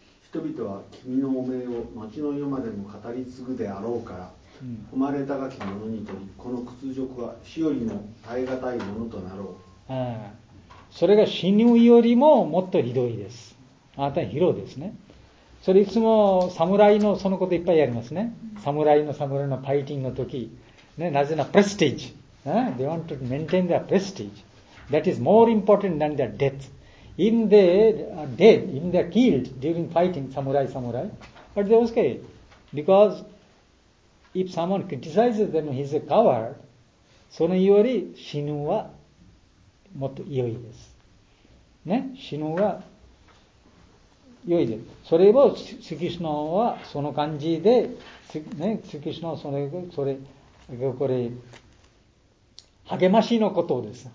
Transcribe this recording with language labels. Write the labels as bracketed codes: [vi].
[ja] 人々は君の汚名を町の世までも語り継ぐであろうから、誉れ高き者にとり、この屈辱は死よりも耐え難いものとなろう。それが死ぬよりももっとひどいです。あなたは疲労ですね。それいつも侍のそのこといっぱいやりますね。侍のファイティングの時、ね、なぜなプレスティージ。 [en] They want to maintain their prestige. That is more important than their death. Even they are dead, even they are killed during fighting, samurai. But they are okay. Because if someone criticizes them, he is a coward. [ja] そのより死ぬはもっと良いです。ね、死ぬは良いです。それをスキシノはその感じで、ね、スキシノはそれ、これ、励ましのことです。